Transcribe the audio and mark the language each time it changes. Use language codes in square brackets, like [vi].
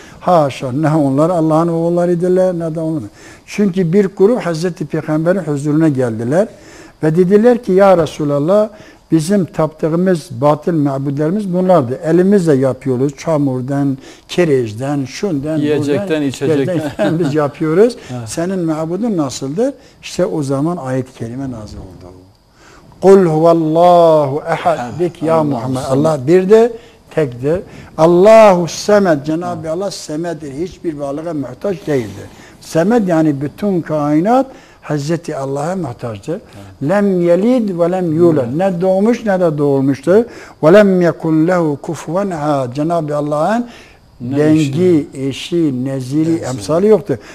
[tr] Haşa ne onlar Allah'ın oğullarıdırlar ne de onlar. Çünkü bir grup Hazreti Peygamber'in huzuruna geldiler ve dediler ki ya Resulallah bizim taptığımız batıl mebudlerimiz bunlardı. Elimizle yapıyoruz çamurdan, kireçten, şundan, yiyecekten, buradan, içecekten biz yapıyoruz. Senin mebudun nasıldır? İşte o zaman ayet-i kerime nazil oldu. [ar] قُلْ هُوَ اللّٰهُ اَحَدِكْ يَا مُحَمَدِ [tr] Allah birdir, tekdir. Allahu semed, Cenab-ı Allah semedir. Hiçbir varlığa muhtaç değildir. Semed yani bütün kainat Hazreti Allah'a muhtaçtır. [ar] لَمْ يَلِدْ وَلَمْ يُولَدْ [tr] Ne doğmuş ne de doğulmuştur. [ar] وَلَمْ يَكُنْ لَهُ كُفُوًا اَحَدْ [tr] Cenab-ı Allah'ın dengi, eşi, neziri, emsali yoktur.